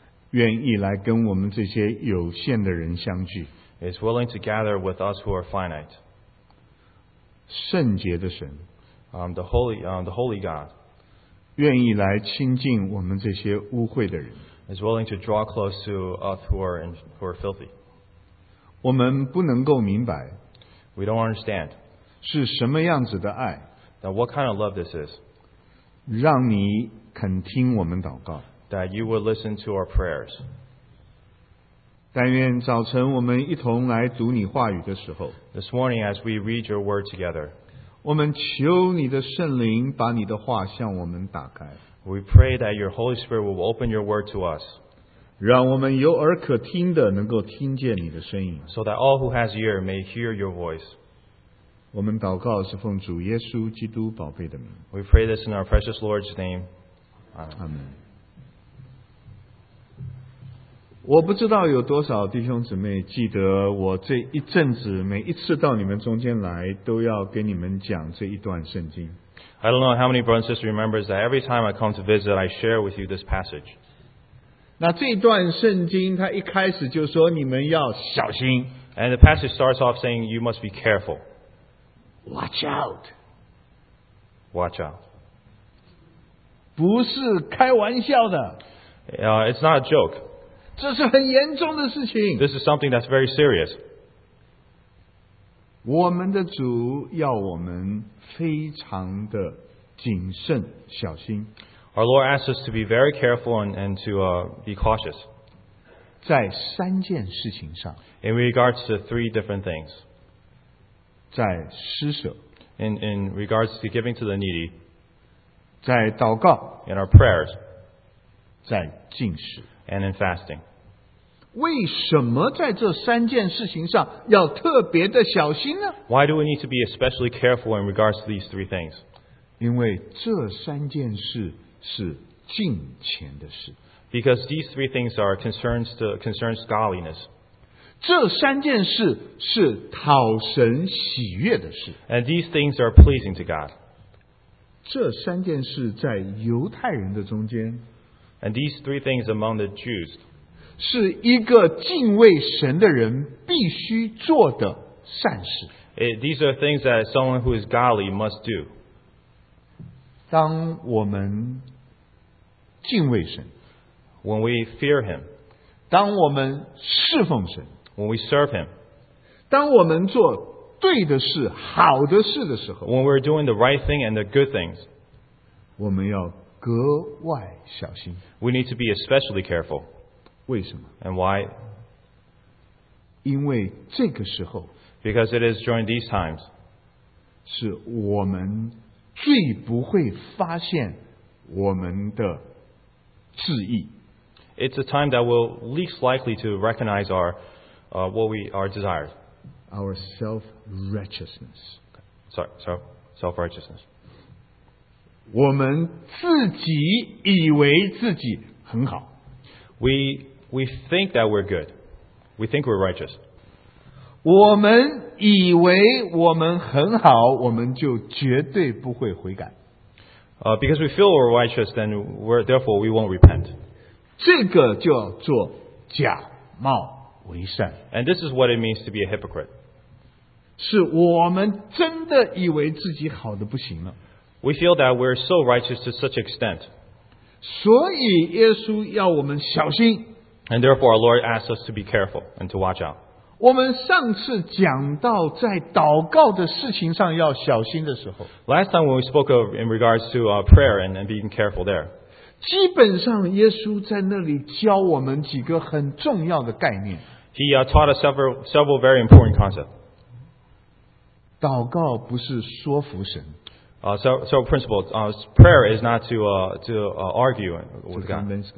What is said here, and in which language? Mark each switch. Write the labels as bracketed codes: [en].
[zh] 愿意来跟我们这些有限的人相聚。 [en] Is willing to gather with us who are finite. [zh] 圣洁的神。 [en] The Holy God [zh] 愿意来亲近我们这些污秽的人。 [en] Is willing to draw close to us who are filthy. [zh] 我们不能够明白。 [en] We don't understand. [zh] 是什么样子的爱。 [en] That what kind of love this is. [zh] 让你肯听我们祷告。 [en] That you would listen to our prayers. [zh] 但愿早晨我们一同来读你话语的时候。 [en] This morning as we read your word together. [zh] 我们求你的圣灵把你的话向我们打开。 [en] We pray that your Holy Spirit will open your word to us. [zh] 让我们有耳可听的能够听见你的声音。 [en] So that all who has ear may hear your voice. [zh] 我们祷告是奉主耶稣基督宝贝的名。 [en] We pray this in our precious Lord's name. Amen. [zh] 我不知道有多少弟兄姊妹记得我这一阵子每一次到你们中间来都要跟你们讲这一段圣经。 [en] I don't know how many brothers and sisters remember that every time I come to visit, I share with you this passage. [zh] 那这一段圣经它一开始就说你们要小心。 [en] And the passage starts off saying you must be careful. Watch out. Watch out. [zh] 不是开玩笑的。 [en] It's not a joke. [zh] 这是很严重的事情。 [en] This is something that's very serious. [zh] 我们的主要我们非常的谨慎小心。 [en] Our Lord asks us to be very careful and to be cautious. [zh] 在三件事情上。 [en] In regards to three different things. [zh] 在施舍。 [en] In regards to giving to the needy. [zh] 在祷告。 [en] In our prayers. [zh] 在禁食。 [en] And in fasting. [zh] 为什么在这三件事情上要特别的小心呢？ [en] Why do we need to be especially careful in regards to these three things? [zh] 因为这三件事是敬虔的事。 [en] Because these three things are concerns godliness. [zh] 这三件事是讨神喜悦的事。 [en] And these things are pleasing to God. [zh] 这三件事在犹太人的中间。 [en] And these three things among the Jews. [zh] 是一个敬畏神的人必须做的善事。 [en] These are things that someone who is godly must do. [zh] 当我们敬畏神， [en] when we fear him， [zh] 当我们侍奉神， [en] when we serve him， [zh] 当我们做对的事好的事的时候， [en] when we're doing the right thing and the good things， [zh] 我们要格外小心， [en] we need to be especially careful。 [zh] 为什么？ [en] and why？ [zh] 因为这个时候， [en] because it is during these times， [zh] 是我们最不会发现我们的质疑。 [en] It's a time that we're least likely to recognize our desires. Our self-righteousness. Self-righteousness. [zh] 我们自己以为自己很好。 [en] We think that we're good. We think we're righteous. [zh] 我们以为我们很好，我们就绝对不会悔改。 [en] Because we feel we're righteous, then therefore we won't repent. [zh] 这个就要做假冒为善。 [en] And this is what it means to be a hypocrite. [zh] 是我们真的以为自己好得不行了。 [en] We feel that we're so righteous to such extent. [zh] 所以耶稣要我们小心。 [en] And therefore our Lord asks us to be careful and to watch out. [zh] 我们上次讲到在祷告的事情上要小心的时候， [en] Last time when we spoke of in regards to prayer and being careful there， [zh] 基本上耶稣在那里教我们几个很重要的概念。 [en] He taught us several very important concepts. [zh] 祷告不是说服神。 So principle, prayer is not to argue with God.